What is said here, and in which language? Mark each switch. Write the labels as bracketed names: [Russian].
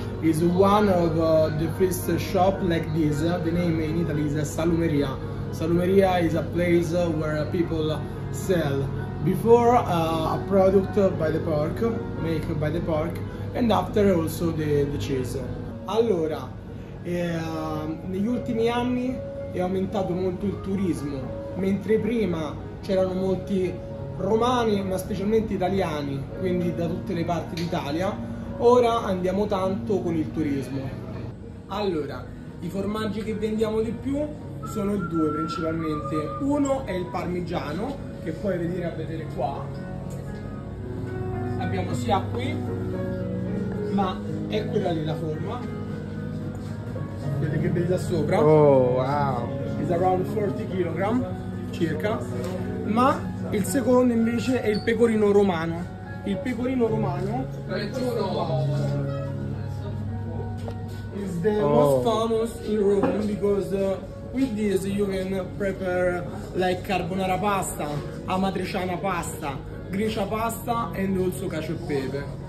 [English] It's one of the first shop like this. The name in Italy is Salumeria. Salumeria is a place where people sell before a product by the pork, made by the pork, and after also the cheese. [Italian] Allora, negli ultimi anni è aumentato molto il turismo, mentre prima c'erano molti romani, ma specialmente italiani, quindi da tutte le parti d'Italia. Ora andiamo tanto con il turismo. Allora, i formaggi che vendiamo di più sono due principalmente. Uno è il parmigiano, che puoi venire a vedere qua. Abbiamo sia qui, ma è quella lì la forma. Vedete che bella sopra? [English] Oh, wow! It's around 40 kg circa. [Italian] Ma il secondo invece è il pecorino romano. [English] Il pecorino romano is the most famous in Rome because with this you can prepare like carbonara pasta, amatriciana pasta, gricia pasta and also cacio e pepe.